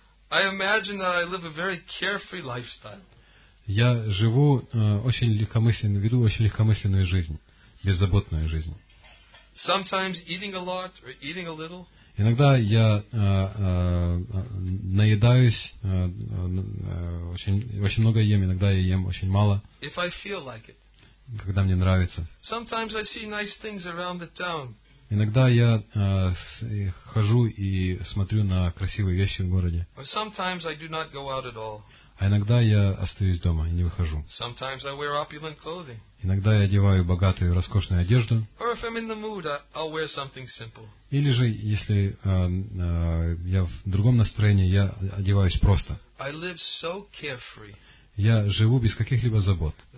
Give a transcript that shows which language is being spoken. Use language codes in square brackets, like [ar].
[en] I imagine that I live a very carefree lifestyle. [ru] Я живу очень легкомысленно, веду очень легкомысленную жизнь, беззаботную жизнь. [en] Sometimes eating a lot or eating a little. [ru] Иногда я наедаюсь, очень много ем, иногда я ем очень мало. [en] If I feel like it. [ru] Когда мне нравится. [en] Sometimes I see nice things around the town. [ru] Иногда я хожу и смотрю на красивые вещи в городе. [en] Or sometimes I do not go out at all. [ru] А иногда я остаюсь дома и не выхожу. [en] Sometimes I wear opulent clothing. [ru] Иногда я одеваю богатую и роскошную одежду. [en] Or if I'm in the mood, I'll wear something simple. [ru] Или же, если я в другом настроении, я одеваюсь просто. [en] I live so carefree. [ru] Я живу без каких-либо забот.